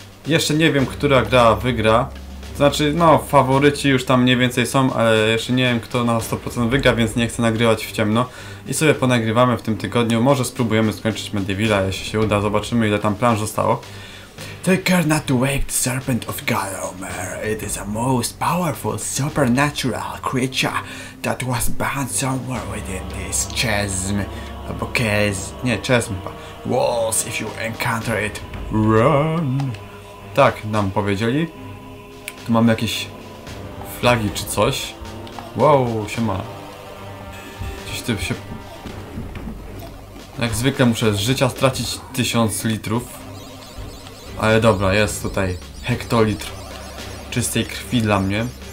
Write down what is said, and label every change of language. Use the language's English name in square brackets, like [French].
[Polish] Jeszcze nie wiem, która gra wygra. Znaczy, no, faworyci już tam mniej więcej są, ale jeszcze nie wiem, kto na 100% wygra, więc nie chcę nagrywać w ciemno. I sobie ponagrywamy w tym tygodniu. Może spróbujemy skończyć Medievala, jeśli się uda. Zobaczymy, ile tam planż zostało. [English] Take care not to wake the serpent of Galomer. It is a most powerful supernatural creature that was bound somewhere within this chasm. [Polish] Albo chasm. Nie, chasm chyba. [English] Walls, if you encounter it, run. [Polish] Tak, nam powiedzieli. Tu mamy jakieś flagi czy coś. Wow, siema. Gdzieś tu się... Jak zwykle muszę z życia stracić 1000 litrów. Ale dobra, jest tutaj hektolitr czystej krwi dla mnie.